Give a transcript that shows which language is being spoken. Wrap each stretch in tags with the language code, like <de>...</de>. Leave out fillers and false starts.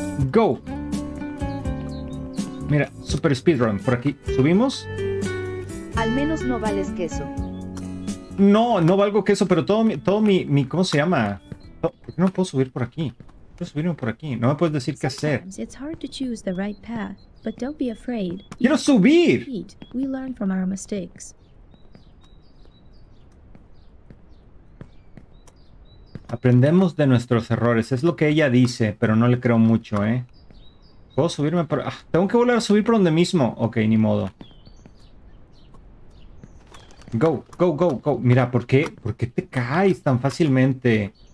<en>Go.</en> <es>Mira, super speedrun. Por aquí. Subimos. Al menos no vales queso. No, no valgo queso, pero todo mi. ¿Cómo se llama? ¿Por qué no puedo subir por aquí? Puedo subirme por aquí. No me puedes decir qué hacer.</es> <en>Sometimes it's hard to choose the right path, but don't be afraid.</en> <es>¡Quiero</es> <en>You can</en> <es>subir!</es> <en>repeat. We learn from our mistakes.</en> <es>Aprendemos de nuestros errores. Es lo que ella dice, pero no le creo mucho, ¿eh? ¿Puedo subirme por...? ¡Ah! Tengo que volver a subir por donde mismo. Ok, ni modo.</es> <en>Go, go, go, go.</en> <es>Mira, ¿por qué te caes tan fácilmente?</es>